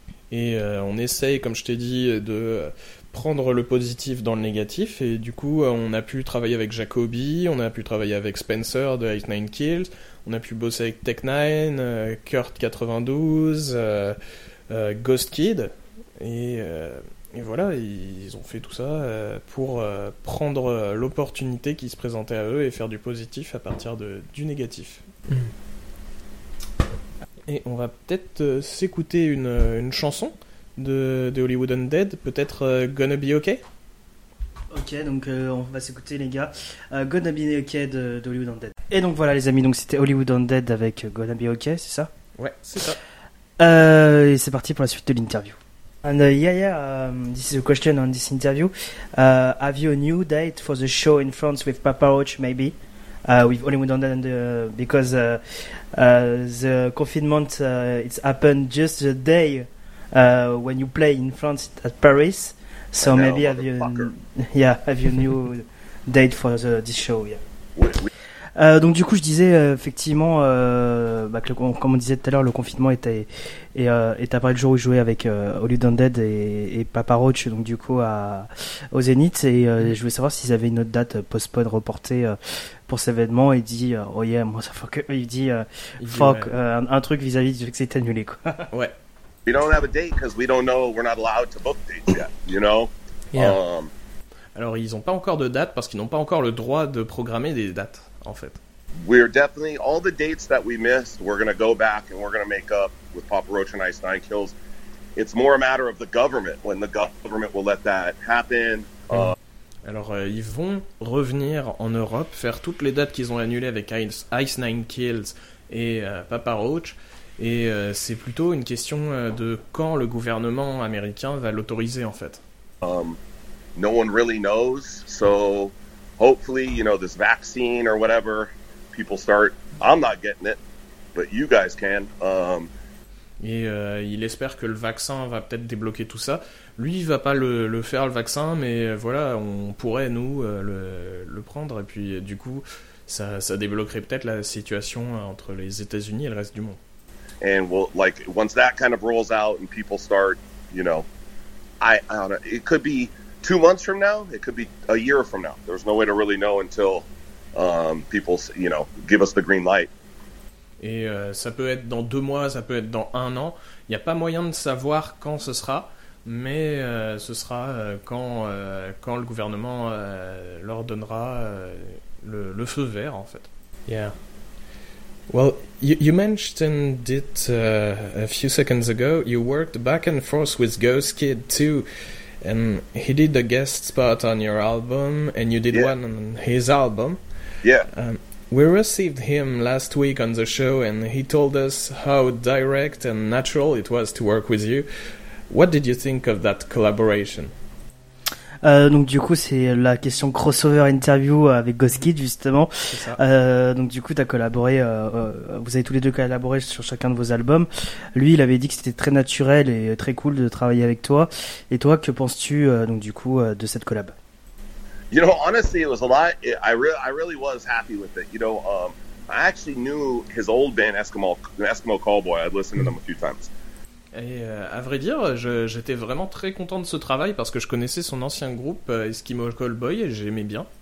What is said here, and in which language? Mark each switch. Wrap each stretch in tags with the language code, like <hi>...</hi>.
<fr>Et on essaye, comme je t'ai dit, de prendre le positif dans le négatif, et du coup on a pu travailler avec Jacoby, on a pu travailler avec Spencer de Ice Nine Kills, on a pu bosser avec Tech Nine, Kurt 92, Ghost Kid, et voilà, ils ont fait tout ça pour prendre l'opportunité qui se présentait à eux et faire du positif à partir du négatif. Et on va peut-être s'écouter une chanson de Hollywood Undead, peut-être Gonna Be Okay. Ok, donc on va s'écouter les gars, Gonna Be Okay de Hollywood Undead. Et donc voilà les amis, donc c'était Hollywood Undead avec Gonna Be Okay, c'est ça? Ouais, c'est ça. Et c'est parti pour la suite de l'interview.</fr> <en>And this is a question on this interview. Have you a new date for the show in France with Papa Roach, maybe? With Hollywood Undead, because the confinement, it's happened just the day when you play in France at Paris. So know, maybe have you have you a new date for this show? Yeah.</en> <fr>Donc du coup, je disais effectivement, comme on disait tout à l'heure, le confinement est apparu le jour où je jouais avec Hollywood Undead et Papa Roach, donc du coup au Zénith, et je voulais savoir s'ils avaient une autre date postpone reportée pour cet événement. Et dit</fr> <en>oh yeah,</en> <fr>moi ça fuck, un truc vis-à-vis du fait que c'est annulé quoi. Ouais.</fr> <en>We don't have a date because we don't know, we're not allowed to book dates yet, you know. Yeah.</en> <fr>Alors ils n'ont pas encore de date parce qu'ils n'ont pas encore le droit de programmer des dates. En fait.</fr> <en>We're definitely all the dates that we missed. We're gonna go back and we're gonna make up with Papa Roach and Ice Nine Kills. It's more a matter of the government when the government will let that happen.</en> <fr>Alors, ils vont revenir en Europe, faire toutes les dates qu'ils ont annulées avec Ice Nine Kills et Papa Roach. Et c'est plutôt une question de quand le gouvernement américain va l'autoriser, en fait.</fr> <en>No one really knows, so. Hopefully, you know, this vaccine or whatever, people start. I'm not getting it, but you guys can.</en> <fr>Et il espère que le vaccin va peut-être débloquer tout ça. Lui, il va pas le faire le vaccin, mais voilà, on pourrait nous le prendre, et puis du coup, ça débloquerait peut-être la situation entre les États-Unis et le reste du monde.</fr> <en>And we'll, like once that kind of rolls out and people start, you know, I don't know. It could be. 2 months from now, it could be a year from now. There's no way to really know until people, you know, give us the green light.</en> <fr>Et ça peut être dans 2 mois, ça peut être dans 1 an. Il n'y a pas moyen de savoir quand ce sera, mais ce sera quand le gouvernement leur donnera le feu vert, en fait.</fr> <en>Yeah. Well, you mentioned it a few seconds ago. You worked back and forth with Ghost Kid too. And he did a guest spot on your album, and you did one on his album. Yeah. We received him last week on the show, and he told us how direct and natural it was to work with you. What did you think of that collaboration?</en> <fr>Donc du coup, c'est la question crossover interview avec Ghost Kid, justement. C'est ça. Donc du coup, t'as collaboré, vous avez tous les deux collaboré sur chacun de vos albums. Lui, il avait dit que c'était très naturel et très cool de travailler avec toi. Et toi, que penses-tu donc du coup de cette collab?</fr> <en>You know, honestly, it was a lot. I really was happy with it. You know, I actually knew his old band Eskimo Callboy. I'd listened to them a few times.</en> <fr>Et à vrai dire, j'étais vraiment très content de ce travail parce que je connaissais son ancien groupe Eskimo Callboy et j'aimais bien.</fr>